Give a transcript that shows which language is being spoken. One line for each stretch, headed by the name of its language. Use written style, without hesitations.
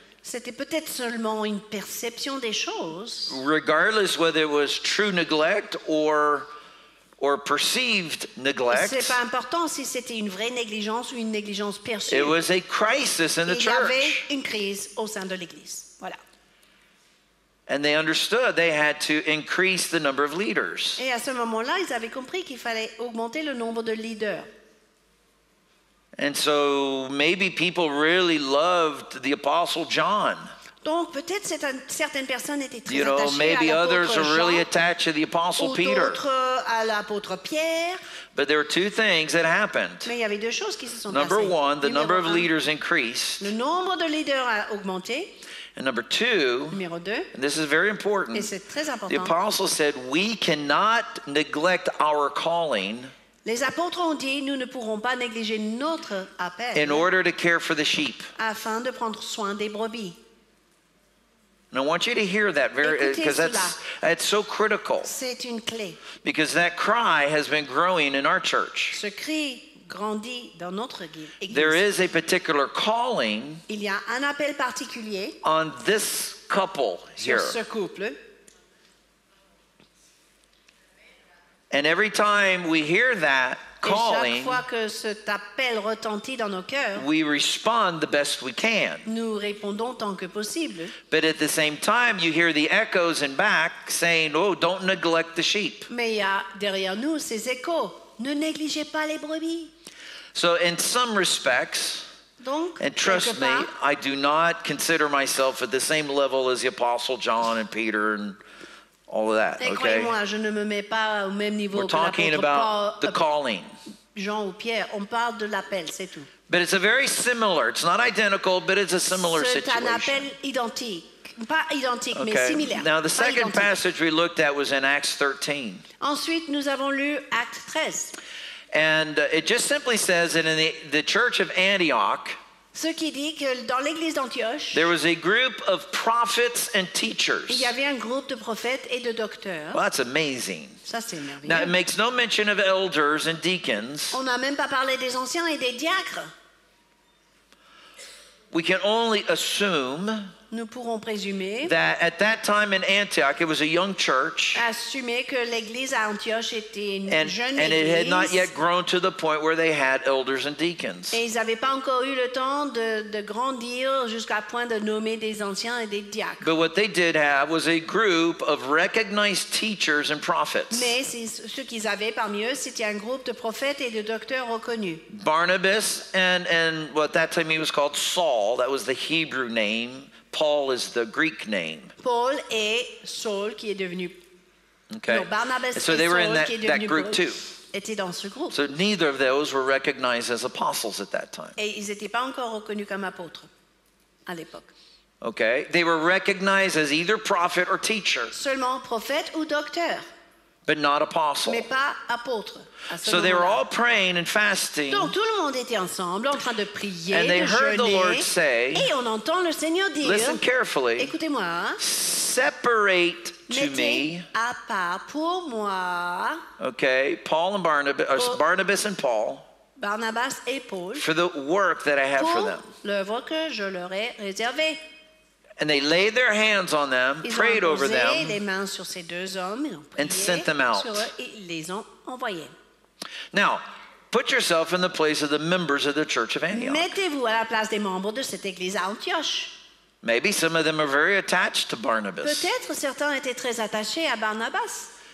French: C'était peut-être seulement une perception des choses.
English: Regardless whether it was true neglect or perceived neglect.
French: C'est pas important si c'était une vraie négligence ou une négligence perçue.
English: It was a crisis in the church.
French: Il y avait une crise au sein de l'église. Voilà.
English: And they understood they had to increase the number of leaders.
French: Et à ce moment-là, ils avaient compris qu'il fallait augmenter le nombre de leaders.
English: And so maybe people really loved the apostle John.
French: Donc peut-être certaines personnes étaient très attachées à l'apôtre Jean.
English: Maybe others are really attached to the apostle
French: ou
English: Peter.
French: D'autres à l'apôtre Pierre.
English: But there are two things that happened.
French: Mais il y avait deux choses qui se sont passées.
English: Number one, the number of leaders increased.
French: Le nombre de leaders a augmenté.
English: And number two,
French: Numéro deux,
English: and this is very important,
French: et c'est très important,
English: the apostles said, we cannot neglect our calling
French: les apôtres ont dit, nous ne pourrons pas négliger notre appel
English: in order to care for the sheep.
French: Afin de prendre soin des brebis.
English: And I want you to hear that very, because that's so critical.
French: C'est une clé.
English: Because that cry has been growing in our church.
French: Ce cri grandit dans notre église.
English: There is a particular calling.
French: Il y a un appel particulier
English: on this couple here.
French: Sur ce couple.
English: And every time we hear that calling,
French: chaque fois que cet appel retentit dans nos cœurs,
English: we respond the best we can.
French: Nous répondons tant que possible.
English: But at the same time, you hear the echoes in back saying, oh, don't neglect the sheep.
French: Mais il y a derrière nous ces échos. Ne négligez pas les brebis.
English: So in some respects,
French: donc,
English: and trust me, I do not consider myself at the same level as the Apostle John and Peter and all of that, okay?
French: Je ne me mets pas au même niveau.
English: We're talking about the calling.
French: Jean ou Pierre, on parle de l'appel, c'est tout.
English: But it's a very similar, it's not identical, but it's a similar
French: c'est
English: situation.
French: C'est un appel identique. Pas identique,
English: okay.
French: Mais similaire.
English: Now, the
French: pas
English: second
French: identique.
English: Passage we looked at was in Acts 13.
French: Ensuite, nous avons lu Acte 13.
English: And it just simply says that in the church of Antioch,
French: ce qui dit que dans l'église d'Antioche,
English: there was a group of prophets and teachers.
French: Il y avait un groupe de prophètes et de docteurs.
English: Well, that's amazing.
French: Ça, c'est merveilleux.
English: Now, it makes no mention of elders and deacons.
French: On n'a même pas parlé des anciens et des diacres.
English: We can only assume
French: nous pourrons présumer
English: that at that time in Antioch, it was a young church.
French: Assumer que l'église à Antioche était une
English: and,
French: jeune
English: and
French: église.
English: It had not yet grown to the point where they had elders and deacons.
French: Et ils n'avaient pas encore eu le temps de grandir jusqu'à point de nommer des anciens et des diacres.
English: But what they did have was a group of recognized teachers and prophets.
French: Mais ce qu'ils avaient parmi eux, c'était un groupe de prophètes et de docteurs reconnus.
English: Barnabas and what that time he was called Saul, that was the Hebrew name. Paul is the Greek name.
French: Paul et Saul qui est devenu.
English: Okay. No, Barnabas so they Saul, were in that group too.
French: Était dans ce groupe.
English: So neither of those were recognized as apostles at that time.
French: Et ils n'étaient pas encore reconnus comme apôtres à l'époque.
English: Okay. They were recognized as either prophet or teacher.
French: Seulement prophète ou docteur.
English: But not apostle.
French: Mais pas apôtre.
English: So they were all praying and fasting.
French: Donc tout le monde était ensemble en train de prier,
English: and they
French: de
English: heard
French: jeûner,
English: the Lord say,
French: et on entend le Seigneur dire,
English: listen carefully,
French: écoutez-moi,
English: separate to me,
French: à part pour moi,
English: okay, Paul and Barnabas, pour, Barnabas and Paul,
French: Barnabas et Paul,
English: for the work that I have
French: pour
English: for them.
French: L'œuvre que je leur ai réservée.
English: And they laid their hands on them,
French: ils
English: prayed over them,
French: les mains sur ces deux hommes,
English: and sent them out.
French: Les ont envoyés.
English: Now, put yourself in the place of the members of the Church of Antioch.
French: Mettez-vous à la place des membres de cette église à Antioche.
English: Maybe some of them are very attached to Barnabas.
French: Peut-être certains étaient très attachés à Barnabas.